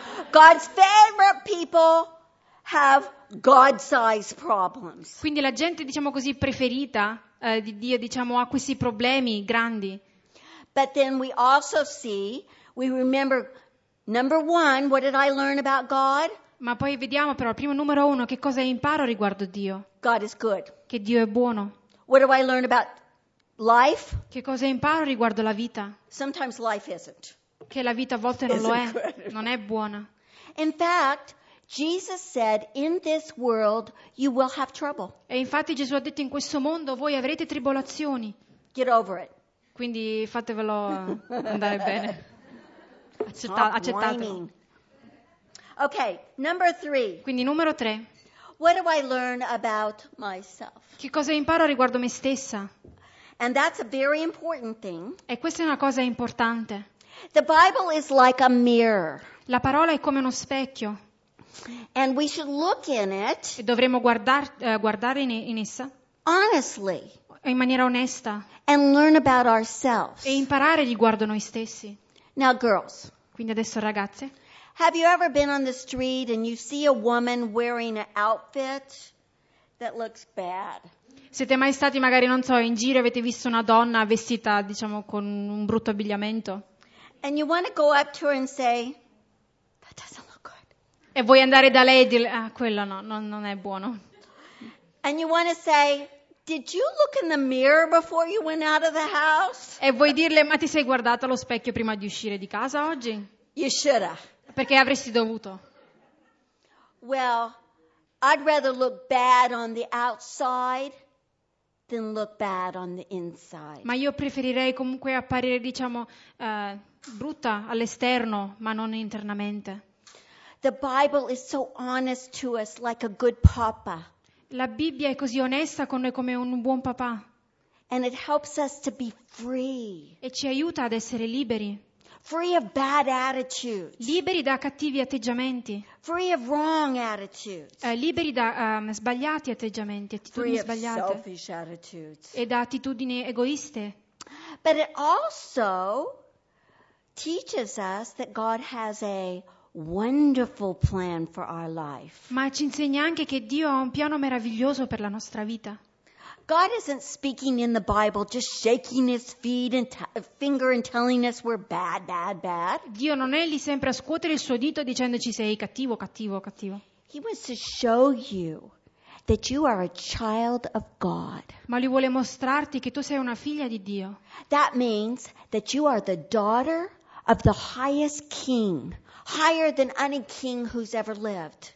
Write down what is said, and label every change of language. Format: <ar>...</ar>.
<en>God's favorite people have God-sized problems.</en> <it>Quindi la gente, diciamo così, preferita di Dio, diciamo, ha questi problemi grandi.</it> <en>But then we also see, we remember, number one, what did I learn about God?</en> <it>Ma poi vediamo però, primo numero uno, che cosa imparo riguardo Dio?</it> <en>God is good.</en> <it>Che Dio è buono.</it> <en>What do I learn about life?</en> <it>Che cosa imparo riguardo la vita?</it> <en>Sometimes life isn't.</en> <it>Che la vita a volte non lo è, non è buona.</it> <en>In fact, Jesus said, in this world you will have trouble.</en> <it>E infatti Gesù ha detto, in questo mondo voi avrete tribolazioni.</it> <en>Get over it.</en> <it>Quindi fatevelo andare bene. Accettatelo.</it> <en>Okay, number three.</en> <it>Quindi numero tre.</it> <en>What do I learn about myself?</en> <it>Che cosa imparo riguardo me stessa?</it> <en>And that's a very important thing.</en> <it>E questa è una cosa importante.</it> <en>The Bible is like a mirror.</en> <it>La parola è come uno specchio.</it> <en>And we should look in it.</en> <it>E dovremmo guardare in essa.</it> <en>Honestly.</en> <it>In maniera onesta.</it> <en>And learn about ourselves.</en> <it>E imparare riguardo noi stessi.</it> <en>Now girls.</en> <it>Quindi adesso ragazze.</it> <en>Have you ever been on the street and you see a woman wearing an outfit that looks bad?</en> <it>Siete mai stati magari, non so, in giro e avete visto una donna vestita, diciamo, con un brutto abbigliamento?</it> <en>And you want to go up to her and say, that doesn't look good.</en> <it>E vuoi andare da lei e dire, ah, quello no, non è buono.</it> <en>And you want to say, did you look in the mirror before you went out of the house?</en> <it>E vuoi dirle, ma ti sei guardata allo specchio prima di uscire di casa oggi?</it> <en>You should have.</en> <it>Perché avresti dovuto.</it> <en>Well, I'd rather look bad on the outside than look bad on the inside.</en> <it>Ma io preferirei comunque apparire, diciamo, brutta all'esterno, ma non internamente.</it> <en>The Bible is so honest to us, like a good papa.</en> <it>La Bibbia è così onesta con noi come un buon papà.</it> <en>And it helps us to be free.</en> <it>E ci aiuta ad essere liberi.</it> <en>Free of bad attitudes.</en> <it>Liberi da cattivi atteggiamenti.</it> <en>Free of wrong attitudes.</en> <it>Liberi da sbagliati atteggiamenti, attitudini</it> <en>free</en> <it>sbagliate.</it> <en>Free of selfish attitudes.</en> <it>E da attitudini egoiste.</it> <en>But it also teaches us that God has a wonderful plan for our life.</en> <it>Ma ci insegna anche che Dio ha un piano meraviglioso per la nostra vita.</it> <en>God isn't speaking in the Bible just shaking his feet and finger and telling us we're bad, bad, bad.</en> <it>Dio non è lì sempre a scuotere il suo dito dicendoci sei cattivo, cattivo, cattivo.</it> <en>He wants to show you that you are a child of God.</en> <it>Ma lui vuole mostrarti che tu sei una figlia di Dio.</it> <en>That means that you are the daughter of the highest king, higher than any king who's ever lived.</en>